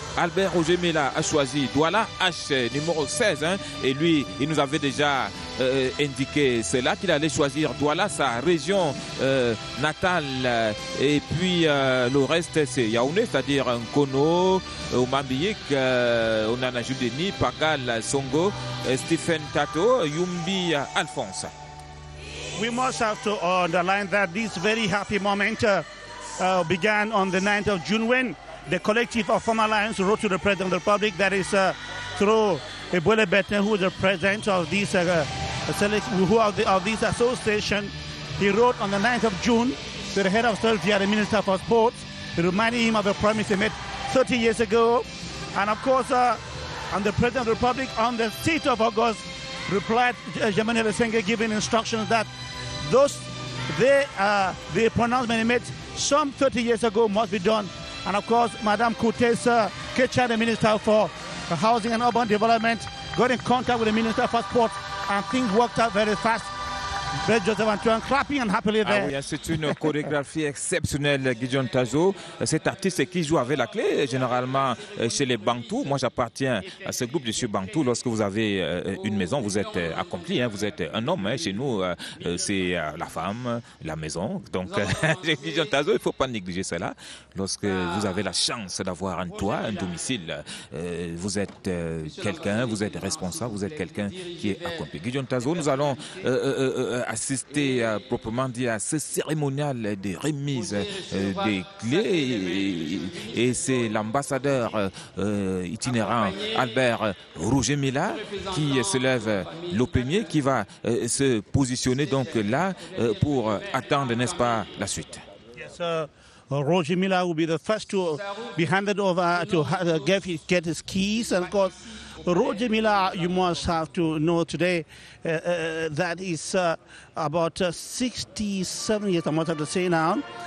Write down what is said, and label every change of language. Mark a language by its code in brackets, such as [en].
[fr] Albert Roger Mela a choisi Douala H numéro 16 hein, et lui il nous avait déjà indiqué cela qu'il allait choisir Douala sa région natale et puis le reste c'est Yaoundé c'est-à-dire Nkono, Omambiyik, Onanajudeni, Pagal, Songo, Stephen Tato, Yumbi, Alphonse. [en] We must have to underline that this very happy moment began on the 9th of June when the collective of former Lions wrote to the President of the Republic, that is through Ebuele Betten, who is the president of this association. He wrote on the 9th of June to the head of Serbia, the Minister for Sports, to remind him of a promise he made 30 years ago. And of course, and the President of the Republic on the 6th of August replied Germaine Lesenge, giving instructions that those the pronouncement he made some 30 years ago must be done. And of course, Madame Kutesa Kecha, the Minister for Housing and Urban Development, got in contact with the Minister for Sport, and things worked out very fast. Ben Joseph Antoine clapping and happily there. [fr] Ah oui, c'est une chorégraphie exceptionnelle, Gideon Tazo. Cet artiste qui joue avec la clé, généralement chez les Bantous. Moi, j'appartiens à ce groupe de chez Bantous. Lorsque vous avez une maison, vous êtes accompli. Hein, vous êtes un homme. Hein. Chez nous, c'est la femme, la maison. Donc, Gideon Tazo, il ne faut pas négliger cela. Lorsque vous avez la chance d'avoir un toit, un domicile, vous êtes quelqu'un, vous êtes responsable, vous êtes quelqu'un qui est accompli. Gideon Tazo, nous allons assister proprement dit à ce cérémonial de remise des clés et c'est l'ambassadeur itinérant Albert Roger Mela qui se lève le premier qui va se positionner donc là pour attendre n'est-ce pas la suite. [en] Yes, Roger Mela will be the first to be handed over to get his keys and of course Roger Mela, you must have to know today that is about 67 years, I must have to say now.